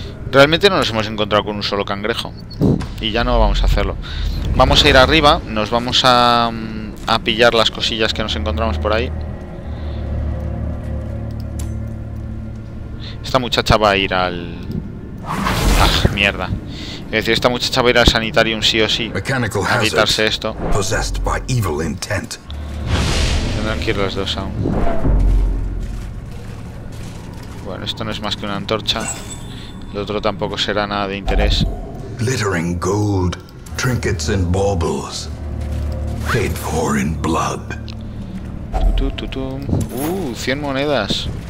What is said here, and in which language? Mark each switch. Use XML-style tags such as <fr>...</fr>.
<es>Realmente no nos hemos encontrado con un solo cangrejo. Y ya no vamos a hacerlo. Vamos a ir arriba. Nos vamos a pillar las cosillas que nos encontramos por ahí. Esta muchacha va a ir al... ¡Ah, mierda! Es decir, esta muchacha va a ir al sanitarium sí o sí. Mechanical a quitarse esto.</es> <en>Possessed by evil intent.</en> <es>Tendrán que ir las dos aún. Bueno, esto no es más que una antorcha. El otro tampoco será nada de interés.</es> <en>Glittering gold, trinkets and baubles. Paid for in blood.</en> <es>Tu. 100 monedas.</es>